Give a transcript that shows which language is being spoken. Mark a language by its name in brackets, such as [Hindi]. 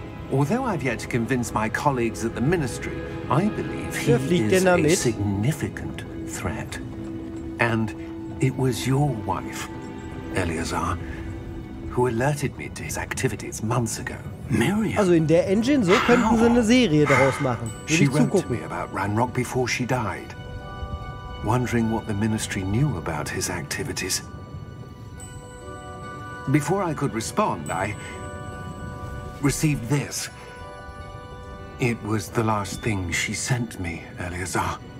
[English] Although I've yet to convince my colleagues at the Ministry, I believe he is a significant threat. And it was your wife, Eleazar, who alerted me to his activities months ago. Miriam? [German] Also in der Engine, so könnten sie eine Serie daraus machen. [English] She wrote to me about Ranrok before she died, wondering what the Ministry knew about his activities. Before I could respond, I received this. It was the last thing she sent me, Eleazar.